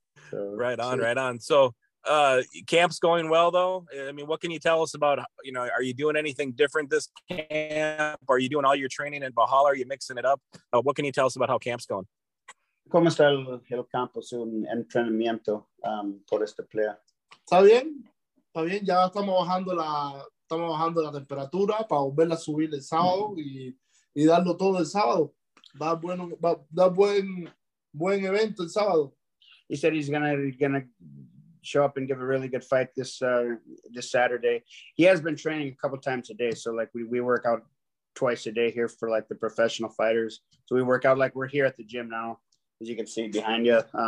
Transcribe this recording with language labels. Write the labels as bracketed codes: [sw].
[en] So, right on, so. Right on. So Camp's going well, though. I mean, what can you tell us about, you know, are you doing anything different this camp? Are you doing all your training in Valhalla? Are you mixing it up? What can you tell us about how camp's going? [es] ¿Cómo está el campo, su entrenamiento por este player? Está bien. Está bien. Ya estamos bajando la temperatura para volverla a subir el sábado y darlo todo el sábado. Va bueno, va da buen evento el sábado. [en] He said he's gonna show up and give a really good fight this Saturday. He has been training a couple times a day, so like we work out twice a day here for like the professional fighters. So we work out like we're here at the gym now, as you can see behind you.